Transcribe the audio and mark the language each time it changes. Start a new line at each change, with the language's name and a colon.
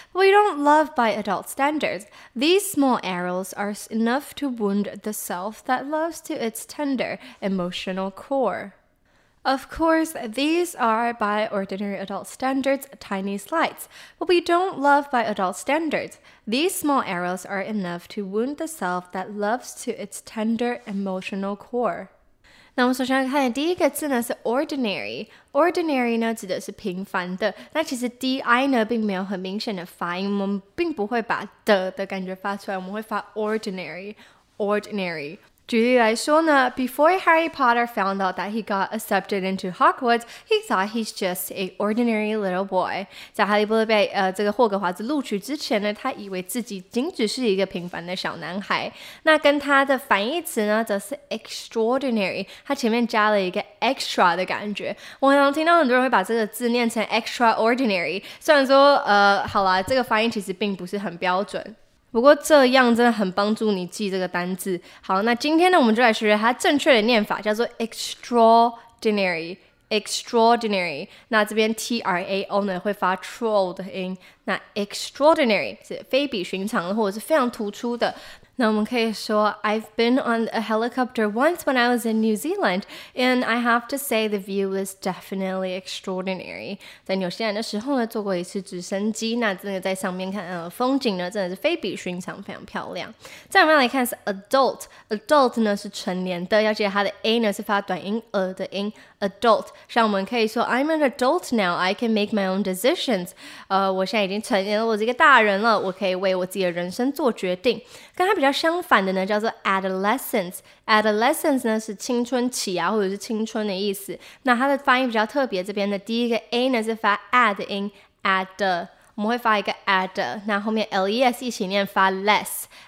English: We don't love by adult standards. These small arrows are enough to wound the self that loves to its tender, emotional core. Of course, these are, by ordinary adult standards, tiny slights. But we don't love by adult standards. These small arrows are enough to wound the self that loves to its tender, emotional core.
Chinese: 那我们首先来看的第一个字呢是 ordinary， ordinary 呢指的是平凡的，那其实 di 呢并没有很明显的发音，我们并不会把的感觉发出来，我们会发 ordinary， ordinary。举例来说呢，
English: before Harry Potter found out that he got accepted into Hogwarts, he thought he's just an ordinary little boy.
Chinese: 在哈利波特被这个霍格华兹录取之前呢，他以为自己仅只是一个平凡的小男孩。那跟他的反义词呢，则是 extraordinary， 他前面加了一个 extra 的感觉。我很常听到很多人会把这个字念成 extraordinary， 虽然说好啦，这个发音其实并不是很标准。不过这样真的很帮助你记这个单字。好，那今天呢，我们就来学学它正确的念法，叫做 extraordinary。 extraordinary， 那这边 trao 呢会发 troll 的音。那 extraordinary 是非比寻常的，或者是非常突出的。那我们可以说
English: I've been on a helicopter once when I was in New Zealand, and I have to say the view was definitely extraordinary.
Chinese: 在纽西兰的时候呢，坐过一次直升机，那真的在上面看，风景呢真的是非比寻常，非常漂亮。再我们来看是 adult 呢是成年的，要记得它的 a 呢是发短音的音 adult。像我们可以说
English: I'm an adult now, I can make my own decisions.
Chinese: 我现在已经成年了，我是一个大人了，我可以为我自己的人生做决定。它比较相反的呢叫做 adolescence。adolescence 呢是青春期啊，或者是青春的意思，那它的发音比较特别，这边的第一个 a 呢是发 ad 音 ad， 我们会发一个 ad， 那后面 les 一起念发 less。